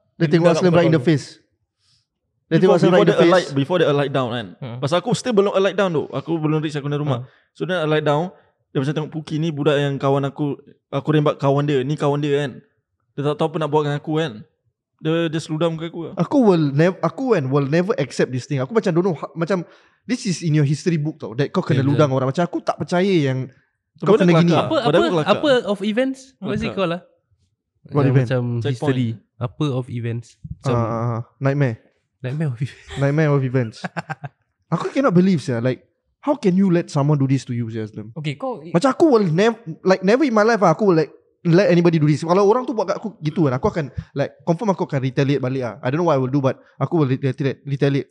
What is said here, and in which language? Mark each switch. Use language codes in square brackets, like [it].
[ms] Dia tengok Slim [en] right in the face. Before they alight down kan. [ms] Pasal aku [en] still belum alight down tu. [ms] Aku belum reach aku dari rumah. [en] So then alight down. [ms] Dia macam tengok Puki ni budak yang kawan aku. Aku rembat kawan dia. Ni kawan dia kan. Dia tak tahu apa nak buat dengan aku kan. Dia seludah muka aku. [en] Aku will never accept this thing. [ms] Aku macam [en] don't know. Macam this is in your history book tau. [ms] That kau kena ludang orang. Macam aku tak percaya yang kau kena gini. [en] Apa of events? What is it called lah? What event? Macam history. Apa of events? Nightmare. Nightmare of events. Aku cannot believe sia. Like how can you let someone do this to you sia Aslam? [ms] Okay kau macam aku [en] will never in my life lah. Aku will like let anybody do this. [ms] Kalau orang tu buat kat aku gitu kan, aku akan like confirm aku akan retaliate balik lah. [en] I don't know what I will do, but aku will retaliate.